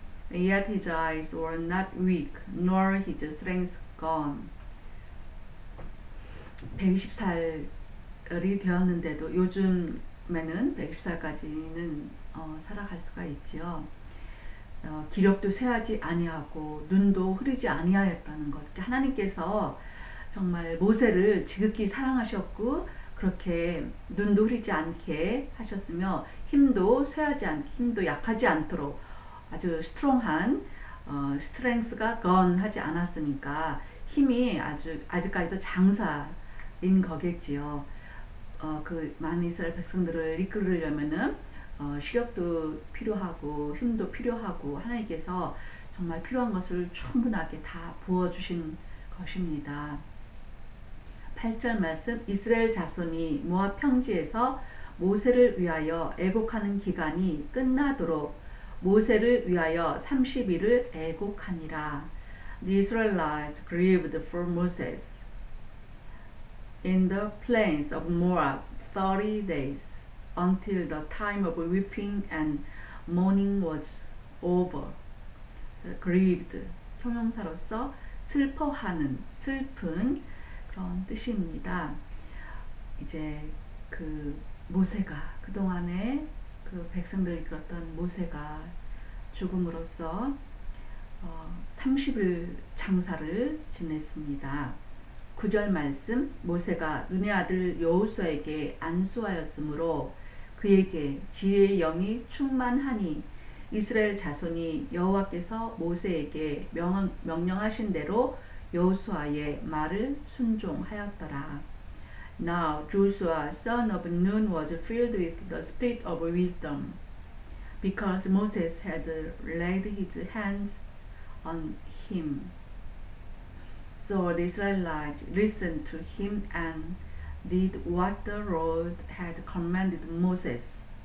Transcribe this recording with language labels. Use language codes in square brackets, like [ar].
[en] Yet his eyes were not weak, nor his strength gone. [ko] 120살이 되었는데도 요즘에는 120살까지는 살아갈 수가 있지요. 기력도 쇠하지 아니하고 눈도 흐리지 아니하였다는 것. 하나님께서 정말 모세를 지극히 사랑하셨고 그렇게 눈도 흐리지 않게 하셨으며 힘도 쇠하지 않, 힘도 약하지 않도록 아주 스트롱한 스트렝스가 건하지 않았으니까 힘이 아직까지도 장사인 거겠지요. 그 많은 이스라엘 백성들을 이끌으려면은 시력도 필요하고 힘도 필요하고 하나님께서 정말 필요한 것을 충분하게 다 부어주신 것입니다. 8절 말씀, 이스라엘 자손이 모압 평지에서 모세를 위하여 애곡하는 기간이 끝나도록 모세를 위하여 30일을 애곡하니라. [en] The Israelites grieved for Moses in the plains of Moab 30 days until the time of weeping and mourning was over. So, grieved, [ko] 형용사로서 슬퍼하는, 슬픈 그런 뜻입니다. 이제 그 모세가 그동안에 그 백성들을 이끌었던 모세가 죽음으로써 30일 장사를 지냈습니다. 9절 말씀, 모세가 눈의 아들 여호수아에게 안수하였으므로 그에게 지혜의 영이 충만하니 이스라엘 자손이 여호와께서 모세에게 명령하신 대로 여호수아의 말을 순종하였더라. [en] Now Joshua, son of Nun, was filled with the spirit of wisdom, because Moses had laid his hands on him. So the Israelites listened to him and did what the Lord had commanded Moses.